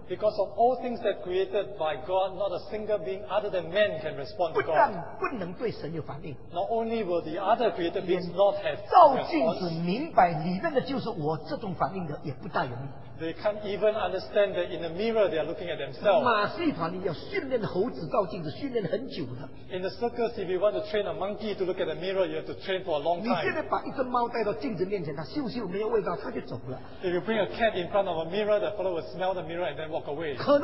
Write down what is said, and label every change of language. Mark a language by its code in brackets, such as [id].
[en] Because of all things that created by God, not a single being other than man can respond to God. [zh] 不但不能对神有反应, [en] not only will the other created beings not have response. [zh] 照镜子明白里面的就是我这种反应的，也不大容易。 [en] They can't even understand that in the mirror they are looking at themselves. In the circus, if you want to train a monkey to look at the mirror, you have to train for a long time. If you bring a cat in front of a mirror, the fellow will smell the mirror and then walk away.